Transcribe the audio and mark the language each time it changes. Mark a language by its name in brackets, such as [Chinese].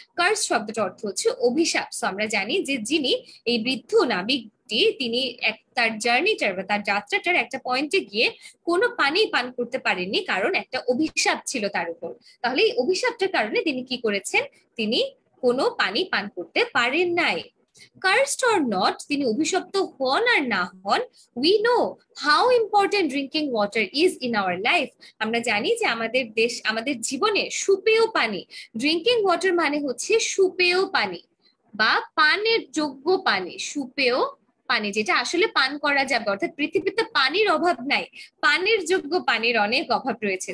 [Bangla] Curse শব্দটা অর্থ হচ্ছে অভিশাপ। সো আমরা জানি যে যিনি এই বৃদ্ধ নাবিক, তিনি এক তার জার্নিটার বা তার যাত্রাটার একটা পয়েন্টে গিয়ে কোনো পানি পান করতে পারেননি, কারণ একটা অভিশাপ ছিল তার উপর। তাহলে এই অভিশাপটার কারণে তিনি কি করেছেন, তিনি কোনো পানি পান করতে পারেন নাই। [English] Cursed or not, [Bangla] তিনি অভিশপ্ত হন আর না হন, [English] we know how important drinking water is in our life. [Bangla] আমরা জানি যে আমাদের দেশ, আমাদের জীবনে সুপেয় পানি, ড্রিঙ্কিং ওয়াটার মানে হচ্ছে সুপেয় পানি বা পানের যোগ্য পানি, সুপেয় পানি যেটা আসলে পান করা যাবে, অর্থাৎ পৃথিবীতে পানির অভাব নাই, পানির যোগ্য পানির অনেক অভাব রয়েছে।